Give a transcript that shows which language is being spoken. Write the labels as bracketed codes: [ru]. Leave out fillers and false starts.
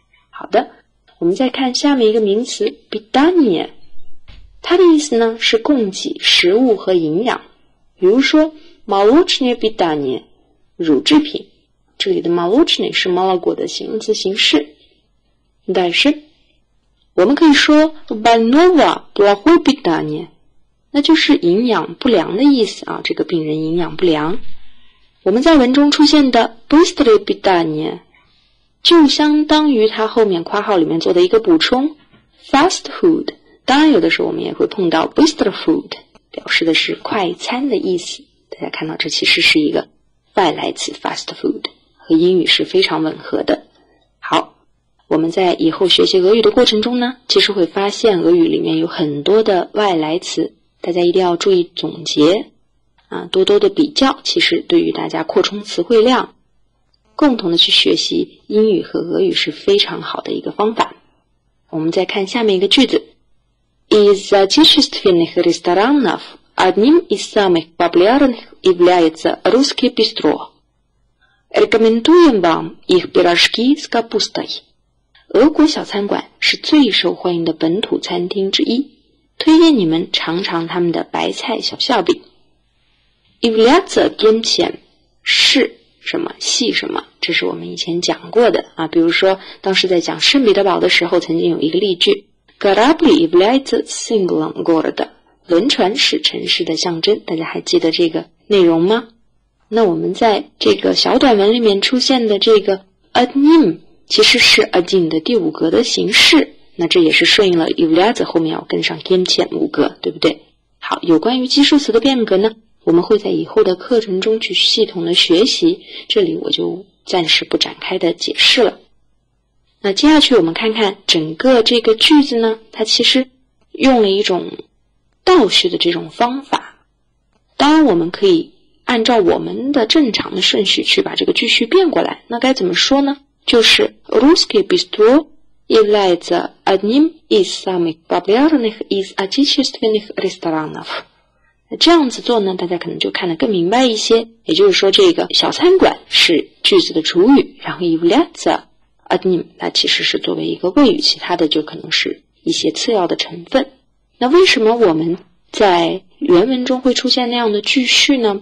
[zh] 好的，我们再看下面一个名词 питание, 它的意思呢是供给食物和营养。比如说 [ru] Молочное питание, [zh] 乳制品，这里的 молочное 是 молоко 的形容词形式。但是我们可以说 [ru] больного плохое питание, [zh] 那就是营养不良的意思啊，这个病人营养不良。我们在文中出现的 [ru] быстрое питание, [zh] 就相当于它后面括号里面做的一个补充 [en] fast food, [zh] 当然有的时候我们也会碰到 [ru] быстро food， [zh] 表示的是快餐的意思。大家看到这其实是一个外来词 fast food， 和英语是非常吻合的。好，我们在以后学习俄语的过程中呢，其实会发现俄语里面有很多的外来词，大家一定要注意总结啊，多多的比较，其实对于大家扩充词汇量，共同的去学习英语和俄语是非常好的一个方法。我们再看下面一个句子。 [ru] Из отечественных ресторанов одним из самых популярных является русский бистро. Рекомендуем вам их пирожки с капустой. [zh] 俄国小餐馆是最受欢迎的本土餐厅之一，推荐你们尝尝他们的白菜小馅饼。 [ru] Является тем чем [zh] 是什么系什么，这是我们以前讲过的啊。比如说当时在讲圣彼得堡的时候，曾经有一个例句。 [ru] Корабль является символом города. [zh] 轮船是城市的象征，大家还记得这个内容吗？那我们在这个小短文里面出现的这个 одним 其实是 один 的第五格的形式，那这也是顺应了 является 后面要跟上 [ru] тем чем [zh] 五格，对不对？好，有关于基数词的变格呢，我们会在以后的课程中去系统的学习，这里我就暂时不展开的解释了。那接下去我们看看整个这个句子呢，它其实用了一种倒叙的这种方法。当然我们可以按照我们的正常的顺序去把这个句序变过来，那该怎么说呢？ [ru] 就是 Русский бистро является одним из самых популярных из отечественных ресторанов。 [zh] 这样子做呢，大家可能就看得更明白一些，也就是说这个小餐馆是句子的主语，然后 [ru] является одним [zh] 那其实是作为一个谓语，其他的就可能是一些次要的成分。那为什么我们在原文中会出现那样的句序呢？